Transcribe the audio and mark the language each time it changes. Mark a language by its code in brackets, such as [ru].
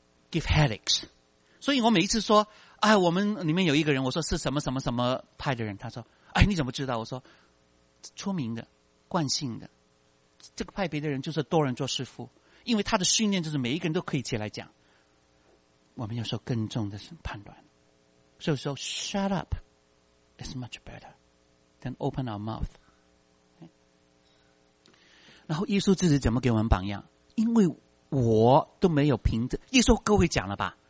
[en] Give headaches。 [zh] 所以我每一次说，哎，我们里面有一个人，我说是什么什么什么派的人，他说，哎，你怎么知道？我说，出名的，惯性的，这个派别的人就是多人做师父，因为他的训练就是每一个人都可以起来讲。我们要说更重的是判断，所以说 shut up is much better than open our mouth。然后耶稣自己怎么给我们榜样？因为我都没有凭着耶稣，各位讲了吧？